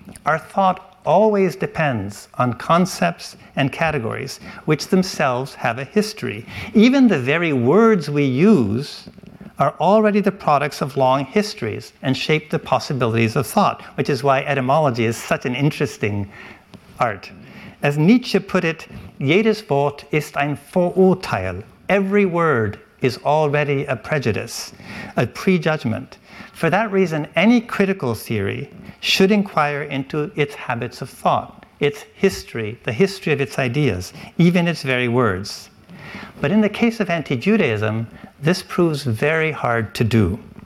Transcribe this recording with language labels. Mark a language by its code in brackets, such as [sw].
[en] Our thought always depends on concepts and categories which themselves have a history. Even the very words we use are already the products of long histories and shape the possibilities of thought, which is why etymology is such an interesting art. As Nietzsche put it, [de] jedes Wort ist ein Vorurteil. [en] Every word is already a prejudice, a prejudgment. For that reason, any critical theory should inquire into its habits of thought, its history, the history of its ideas, even its very words. But in the case of anti-Judaism, this proves very hard to do.